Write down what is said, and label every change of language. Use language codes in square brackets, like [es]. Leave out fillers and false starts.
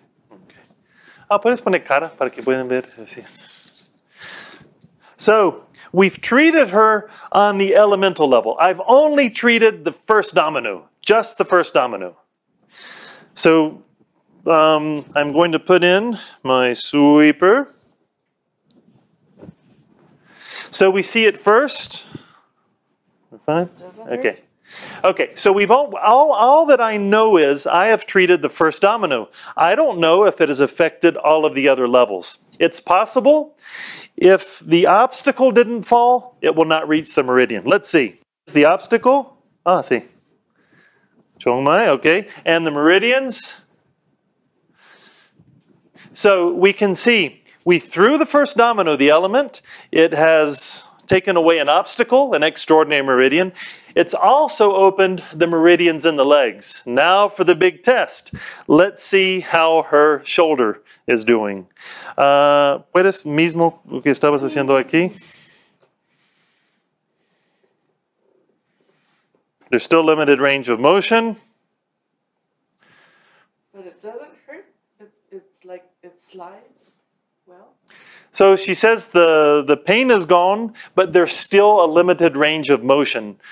[es] Okay. Ah, puedes poner cara para que puedan ver. [en] So, we've treated her on the elemental level. I've only treated the first domino, just the first domino. So, I'm going to put in my sweeper. So we see it first. We're fine. Okay. Okay. So we've all that I know is I have treated the first domino. I don't know if it has affected all of the other levels. It's possible if the obstacle didn't fall, it will not reach the meridian. Let's see. Is the obstacle? Ah, see. Chongmai, okay. And the meridians. So we can see. We threw the first domino, the element. It has taken away an obstacle, an extraordinary meridian. It's also opened the meridians in the legs. Now for the big test. Let's see how her shoulder is doing. [es] ¿Puedes mismo lo que estabas haciendo aquí? [en] There's still limited range of motion. But it doesn't hurt. It's like it slides. So she says the pain is gone, but there's still a limited range of motion.